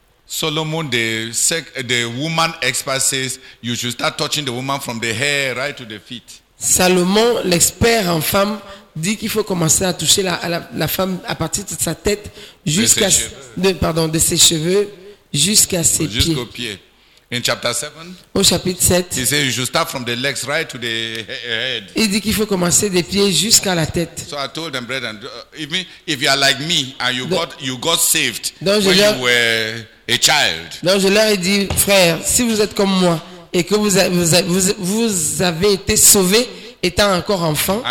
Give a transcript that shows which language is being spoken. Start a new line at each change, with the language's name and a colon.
English: Solomon, the woman expert says you should start touching the woman from the hair right to the feet.
French: Salomon, l'expert en femme, dit qu'il faut commencer à toucher la femme à partir de sa tête jusqu'à de ses cheveux jusqu'à ses pieds. Jusqu'aux pieds.
English: In chapter 7.
French: Au chapitre 7.
English: He says you should start from the legs right to the head.
French: Il dit qu'il faut commencer des pieds jusqu'à la tête.
English: So I told them, brethren, even if you are like me and you got saved when you were a child.
French: Donc je leur ai dit, frère, si vous êtes comme moi et que vous avez été sauvé étant encore enfant,